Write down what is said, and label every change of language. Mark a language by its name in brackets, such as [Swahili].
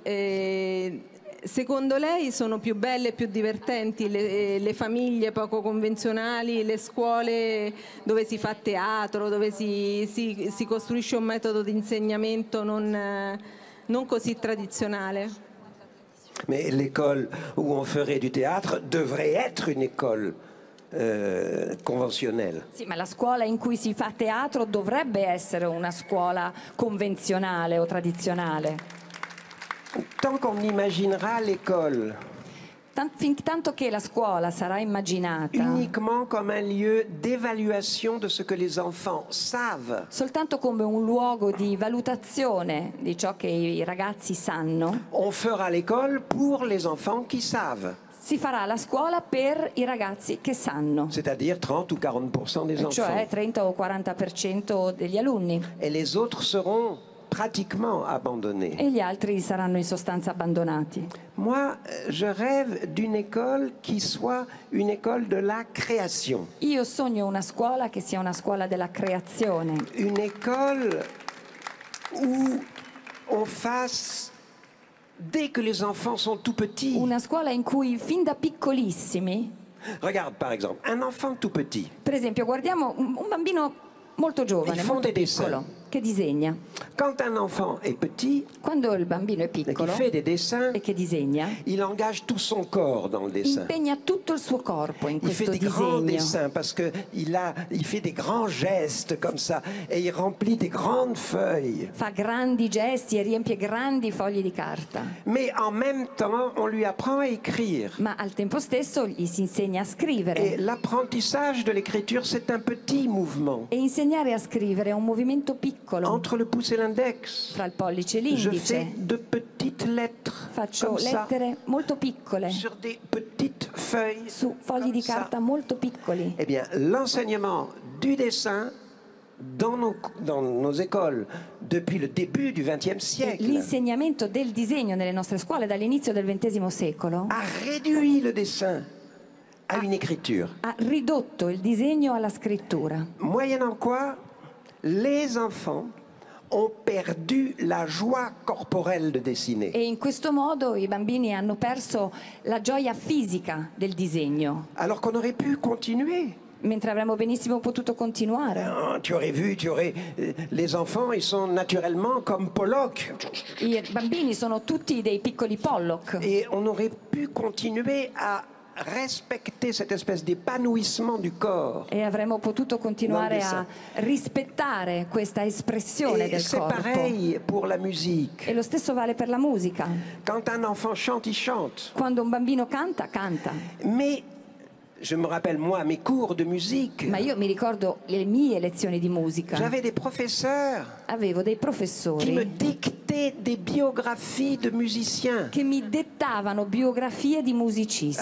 [Italian] E secondo lei sono più belle e più divertenti le famiglie poco convenzionali, le scuole dove si fa teatro, dove si costruisce un metodo di insegnamento non così tradizionale? [French] Mais l'école où on ferait du théâtre devrait être une école conventionnelle. [Italian] Sì, ma la scuola in cui si fa teatro dovrebbe essere una scuola convenzionale o tradizionale. [French] Tant qu'on imaginera l'école. [Italian] Tanto che la scuola sarà immaginata [French] uniquement comme un lieu d'évaluation de ce que les enfants savent. [Italian] Soltanto come un luogo di valutazione di ciò che i ragazzi sanno. [French] On fera l'école pour les enfants qui savent. [Italian] Si farà la scuola per i ragazzi che sanno. [French] C'est-à-dire 30 ou 40% des enfants. [Italian] Cioè 30 o 40% degli alunni. [French] Et les autres seront pratiquement abandonnés. [Italian] E gli altri saranno in sostanza abbandonati. [French] Moi, je rêve d'une école qui soit une école de la création. [Italian] Io sogno una scuola che sia una scuola della creazione. [French] Une école où on fasse dès que les enfants sont tout petits. [Italian] Una scuola in cui fin da piccolissimi [French] Regarde par exemple, un enfant tout petit. [Italian] Per esempio, guardiamo un bambino molto giovane, molto piccolo, che disegna. [French] Quand un enfant est petit, [Italian] quando il bambino è piccolo, [French] fait des dessins, [Italian] e che disegna, [French] il engage tout son corps dans le dessin. [Italian] Impegna tutto il suo corpo in il questo disegno. [French] Il fait des grands dessins parce que il fait des grands gestes comme ça et il remplit des grandes feuilles. [Italian] Fa grandi gesti e riempie grandi fogli di carta. [French] Mais en même temps, on lui apprend à écrire. [Italian] Ma al tempo stesso gli si insegna a scrivere. [French] Et l'apprentissage de l'écriture, c'est un petit mouvement. [Italian] E insegnare a scrivere è un movimento piccolo. [French] Entre le pouce et l'index. [Italian] Fra il pollice e l'indice. [French] Je fais de petites lettres. [Italian] Faccio lettere molto piccole. [French] Sur des petites feuilles. [Italian] Su fogli di carta molto piccoli. [French] Eh bien, l'enseignement du dessin dans nos écoles depuis le début du XXe siècle. [Italian] L'insegnamento del disegno nelle nostre scuole dall'inizio del XX secolo. [French] A réduit le dessin à une écriture. [Italian] Ha ridotto il disegno alla scrittura. [French] Moyennant quoi, les enfants ont perdu la joie corporelle de dessiner. [Italian] E in questo modo i bambini hanno perso la gioia fisica del disegno. [French] Alors qu'on aurait pu continuer. [Italian] Mentre avremmo benissimo potuto continuare. [French] Tu aurais vu, tu aurais les enfants, ils sont naturellement comme Pollock. [Italian] I bambini sono tutti dei piccoli Pollock. [French] Et on aurait pu continuer à respecter cette espèce d'épanouissement du corps. [Italian] E avremmo potuto continuare a rispettare questa espressione [French] et [Italian] del [French] c'est [Italian] corpo. [French] Pareil pour la musique. [Italian] E lo stesso vale per la musica. [French] Quand un enfant chante, il chante. [Italian] Quando un bambino canta, canta. [French] Mais je me rappelle moi mes cours de musique. [Italian] Ma io mi ricordo le mie lezioni di musica. [French] J'avais des professeurs. [Italian] Avevo dei professori. [French] Qui me dictaient des biographies de musiciens. [Italian] Che mi dettavano biografie di musicisti.